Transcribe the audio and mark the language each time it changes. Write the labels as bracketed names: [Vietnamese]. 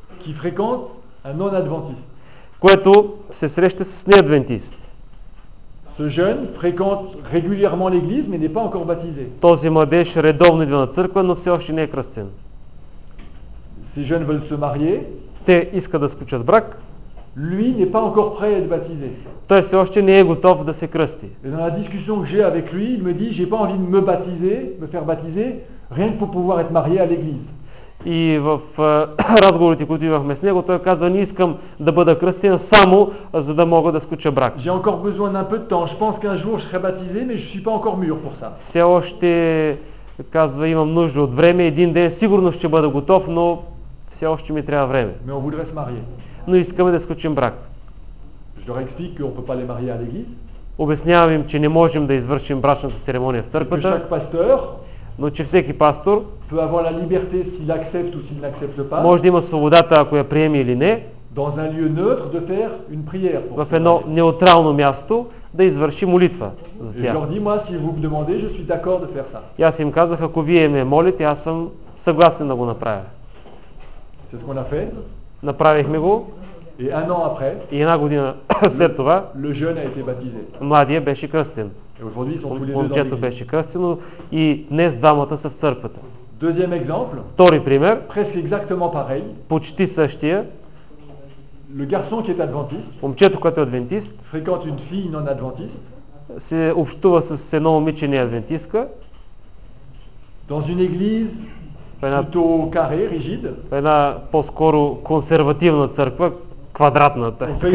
[French] qui fréquente un non-adventiste. [Bulgarian] Което се среща с неадвентист. [French] Ce jeune fréquente régulièrement l'église mais n'est pas encore baptisé. [Bulgarian] Този младеж редовно идва на църква, но все още не е кръстен. [French] Ces jeunes veulent se marier. [Bulgarian] Те искат да сключат брак. [French] Lui n'est pas encore prêt à être baptisé. [Bulgarian] Той все още не е готов да се кръсти. [French] Et dans la discussion que j'ai avec lui, il me dit j'ai pas envie de me faire baptiser, rien que pour pouvoir être marié à l'église. [Bulgarian] И в разговорите, които имахме с него, той казва, не искам да бъда кръстен само за да мога да сключа брак. [French] J'ai encore besoin d'un peu de temps. Je pense qu'un jour je serai baptisé, mais je suis pas encore mûr pour ça. [Bulgarian] Все още казва, имам нужда от време, един ден сигурно ще бъда готов, но все още ми трябва време. [French] Mais on voudrait se marier. [Bulgarian] Но искаме да сключим брак. [French] Je leur explique qu'on peut pas les marier à l'église. [Bulgarian] Обяснявам им, че не можем да извършим брачната церемония в църквата. [French] Chaque pasteur, [Bulgarian] но че всеки пастор [French] peut avoir la liberté s'il accepte ou s'il n'accepte pas. [Bulgarian] Може да има свободата, ако я приеме или не. [French] Dans un lieu neutre de faire une prière. [Bulgarian] В едно неутрално място да извърши молитва за тях. [French] Et je leur dis, moi, si vous me demandez, je suis d'accord de faire ça. [Bulgarian] И аз им казах, ако вие ме молите, аз съм съгласен да го направя. [French] C'est ce qu'on a fait. [Bulgarian] Направихме го. [French] Et un an après, [Bulgarian] и една година след това [French] le jeune a été baptisé. [Bulgarian] Младия беше кръстен. Момчето беше кръстено и днес двамата са в църквата. [French] Deuxième exemple, [Bulgarian] втори пример, [French] presque exactement pareil, [Bulgarian] почти същия. [French] Le garçon qui est adventiste, [Bulgarian] момчето, което е адвентист, [French] fréquente une fille non adventiste, [Bulgarian] се общува с едно момиче не адвентистка. [French] Dans une église plutôt carré, rigide. [Bulgarian] Една по-скоро консервативна църква, квадратната.